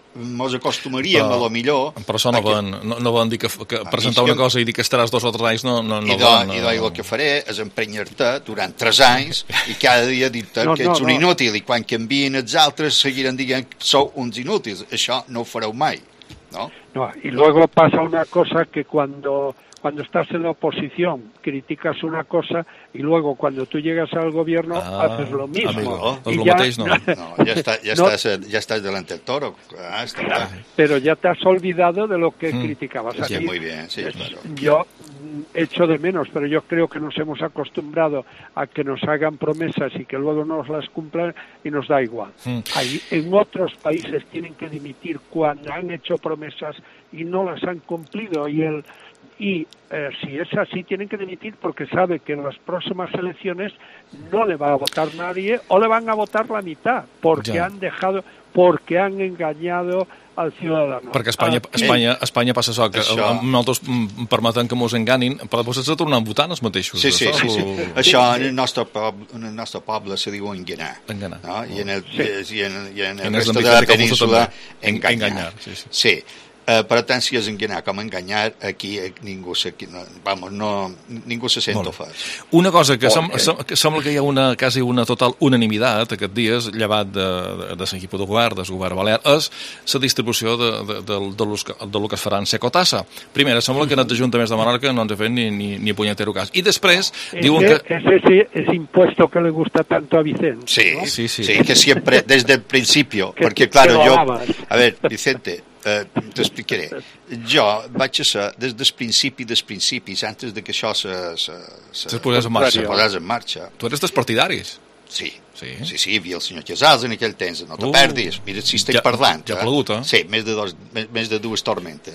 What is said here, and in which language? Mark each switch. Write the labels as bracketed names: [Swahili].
[Catalan] ens acostumaríem, però, a lo millor... Però això no van, no van dir que presentar una cosa i dir que estaràs dos o tres anys, no idò, van... Idò, i el que faré és emprenyar-te durant tres anys i cada dia dir-te que ets un inútil, i quan canvien els altres seguiran dient que sou uns inútils. Això no ho fareu mai, no? [Spanish] No, y luego pasa una cosa que cuando estás en la oposición criticas una cosa y luego cuando tú llegas al gobierno haces lo mismo. Amigo, y ya, mateix, no. No, ya estás delante del toro. Pero ya te has olvidado de lo que criticabas. Sí, muy bien, sí, claro. Yo echo de menos, pero yo creo que nos hemos acostumbrado a que nos hagan promesas y que luego no nos las cumplan y nos da igual. Ahí, en otros países tienen que dimitir cuando han hecho promesas y no las han cumplido, si es así, tienen que dimitir porque sabe que en las próximas elecciones no le va a votar nadie o le van a votar la mitad porque han dejado, porque han engañado al ciudadano. [Catalan] Perquè Espanya passa això, que nosaltres permeten que mos enganin, però després s'ha de tornar votant els mateixos. Sí, sí, sí. Això en el nostre poble se diu enganar. Enganar. No? I en el, sí. I en el resto de la península, enganyar. Sí, sí. Sí. Per tant, si és enganyar com enganyar, aquí ningú se, vamos, no, ningú se sent ofès. Una cosa que sembla que hi ha quasi una total unanimitat aquests dies, llevat de l'equip de govern, del govern balear, és la distribució de lo que es farà en Secotassa. Primer, sembla que en els ajuntaments de Menorca no ens ha fet ni punyetero cas. I després, diuen que... [Spanish] Ese es impuesto que le gusta tanto a Vicent. Sí, ¿no? sí, que siempre, desde el principio, porque claro, yo... A ver, Vicente... [Catalan] T'explicaré. Jo vaig ser des del principi dels principis, [Spanish] antes de que [Catalan] això se posés en marxa. Tu eres dels partidaris? Sí. Sí, sí, hi havia el senyor Casals en aquell temps. No te perdis, mira si estic parlant. Ja ha plegut, eh? Sí, més de dues tormentes.